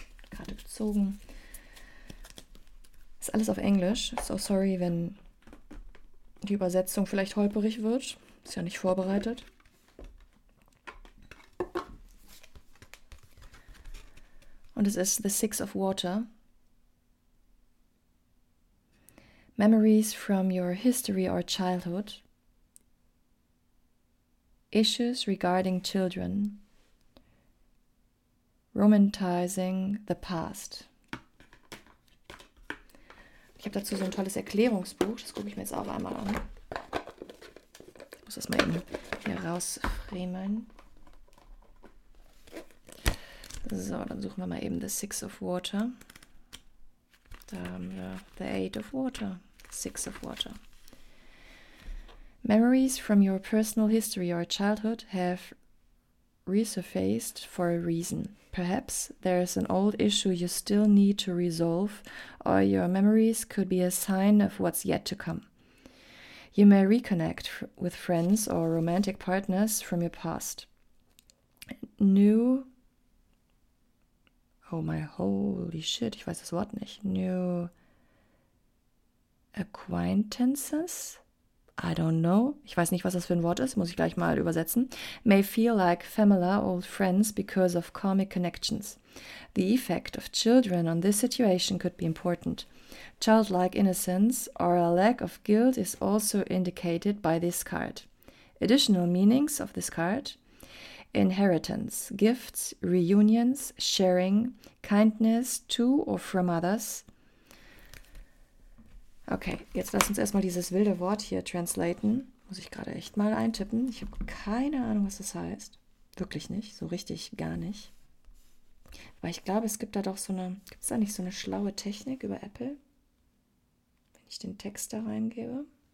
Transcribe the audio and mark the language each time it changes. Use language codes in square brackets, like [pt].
[de] Karte gezogen. Ist alles auf Englisch. So sorry, wenn die Übersetzung vielleicht holperig wird. Ist ja nicht vorbereitet. Und es ist The Six of Water. [en] Memories from your history or childhood. Issues regarding children. Romanticizing the past. [de] Ich habe dazu so ein tolles Erklärungsbuch, das gucke ich mir jetzt auch einmal an. Ich muss muss das mal eben hier rausfriemeln. So, dann suchen wir mal eben the Six of Water. Da haben wir the Eight of Water. [en] Six of Water. Memories from your personal history or childhood have resurfaced for a reason. Perhaps there is an old issue you still need to resolve, or your memories could be a sign of what's yet to come. You may reconnect with friends or romantic partners from your past. New. Oh my holy shit, [de] ich weiß das Wort nicht. [en] New acquaintances? I don't know. [de] Ich weiß nicht, was das für ein Wort ist. Muss ich gleich mal übersetzen. [en] May feel like familiar old friends because of karmic connections. The effect of children on this situation could be important. Childlike innocence or a lack of guilt is also indicated by this card. Additional meanings of this card. Inheritance, gifts, reunions, sharing, kindness to or from others. [de] Okay, jetzt lass uns erstmal dieses wilde Wort hier translaten. Muss ich gerade echt mal eintippen. Ich habe keine Ahnung, was das heißt. Wirklich nicht, so richtig gar nicht. Weil ich glaube, es gibt da doch so eine, gibt es da nicht so eine schlaue Technik über Apple? Wenn ich den Text da reingebe.